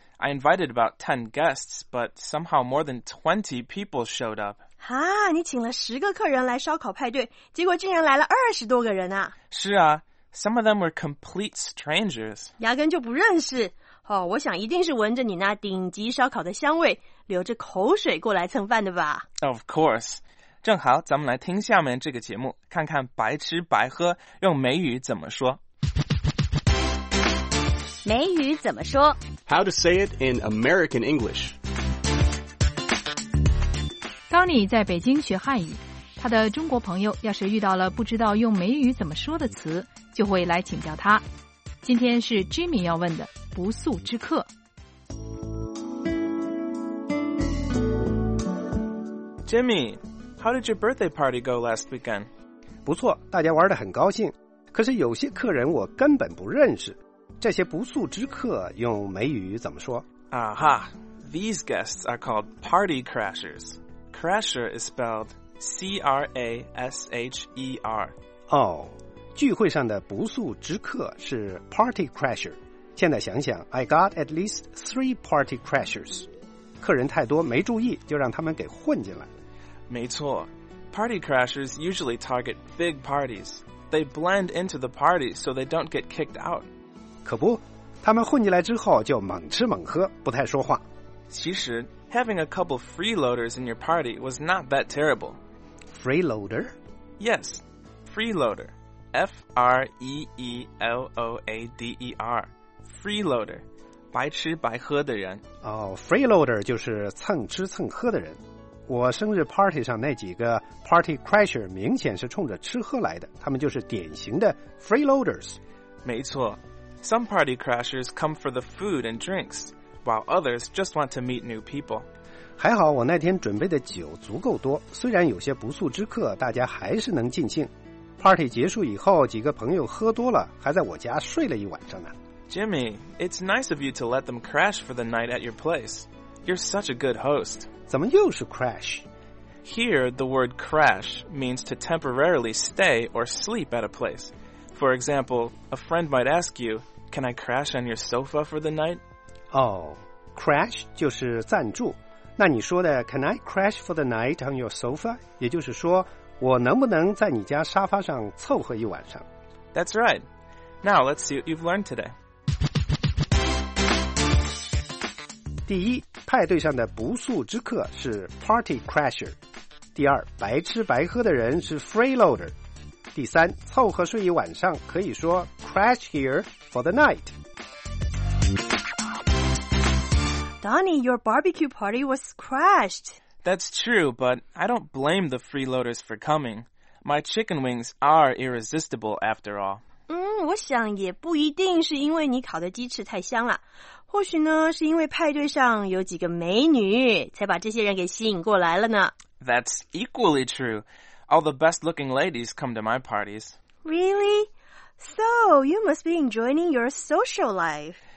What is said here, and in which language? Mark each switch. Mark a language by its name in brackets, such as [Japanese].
[English] I invited about 10 guests, but somehow more than 20 people showed up. [Chinese] 哈，你请了10个客人来烧烤派对，结果竟然来了20多个人啊。是啊， [English] some of them were complete strangers. [Chinese] 压根就不认识。哦，我想一定是闻着你那顶级烧烤的香味，流着口水过来蹭饭的吧。 [English] Of course. [Chinese] 正好咱们来听下面这个节目，看看白吃白喝用美语怎么说。美语怎么说？ [English] How to say it in American English. [Chinese] Tony 在北京学汉语，他的中国朋友要是遇到了不知道用美语怎么说的词，就会来请教他。今天是 Jimmy 要问的不速之客。 [English] Jimmy, how did your birthday party go last weekend? [Chinese] 不错，大家玩得很高兴，可是有些客人我根本不认识。这些不速之客用美语怎么说？ [English] Aha, these guests are called party crashers. Crasher is spelled C-R-A-S-H-E-R. [Chinese] 哦，聚会上的不速之客是 party crasher. 现在想想 [English] ,I got at least 3 party crashers. [Chinese] 客人太多没注意就让他们给混进来。没错 [English] ,party crashers usually target big parties. They blend into the party so they don't get kicked out. [Chinese] 可不，他们混进来之后就猛吃猛喝，不太说话。其实 [English] ，having a couple freeloaders in your party was not that terrible. freeloader? Yes, freeloader. F-R-E-E-L-O-A-D-E-R. [Chinese] Freeloader, 白吃白喝的人。哦、oh, freeloader 就是蹭吃蹭喝的人。我生日 party 上那几个 party crasher 明显是冲着吃喝来的，他们就是典型的 freeloaders。没错， [English] some party crashers come for the food and drinks, while others just want to meet new people. [Chinese] 还好我那天准备的酒足够多，虽然有些不速之客，大家还是能尽兴。 Party 结束以后，几个朋友喝多了，还在我家睡了一晚上呢。 [English] Jimmy, it's nice of you to let them crash for the night at your place. You're such a good host. [Chinese] 怎么又是 crash? [English] Here, the word crash means to temporarily stay or sleep at a place. For example, a friend might ask you, can I crash on your sofa for the night? [Chinese] Oh, crash 就是暂住。那你说的 [English] can I crash for the night on your sofa? [Chinese] 也就是说我能不能在你家沙发上凑合一晚上。 [English] That's right. Now let's see what you've learned today. [Chinese] 第一，派对上的不速之客是 party crasher。第二，白吃白喝的人是 freeloader。第三，凑合睡一晚上可以说 [English] crash here for the night。 Donnie, your barbecue party was crashed. That's true, but I don't blame the freeloaders for coming. My chicken wings are irresistible after all. [Chinese] 我想也不一定是因为你烤的鸡翅太香了。或许呢，是因为派对上有几个美女，才把这些人给吸引过来了呢。 [English] That's equally true. All the best-looking ladies come to my parties. Really? So, you must be enjoying your social life.